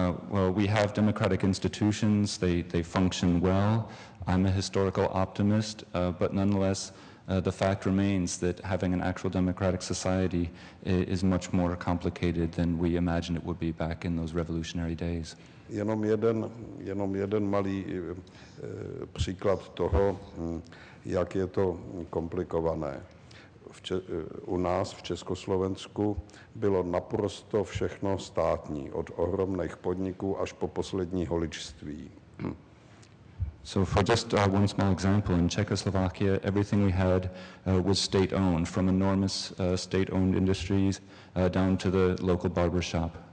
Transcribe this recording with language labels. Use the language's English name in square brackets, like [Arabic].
[English] Well, we have democratic institutions, they function well. I'm a historical optimist, but nonetheless, the fact remains that having an actual democratic society is much more complicated than we imagined it would be back in those revolutionary days. [Czech] Jenom jeden malý příklad toho, jak je to komplikované. U nás v Československu bylo naprosto všechno státní, od ohromných podniků až po poslední holičství. [English] So for just one small example, in Czechoslovakia, everything we had was state-owned, from enormous state-owned industries down to the local barbershop.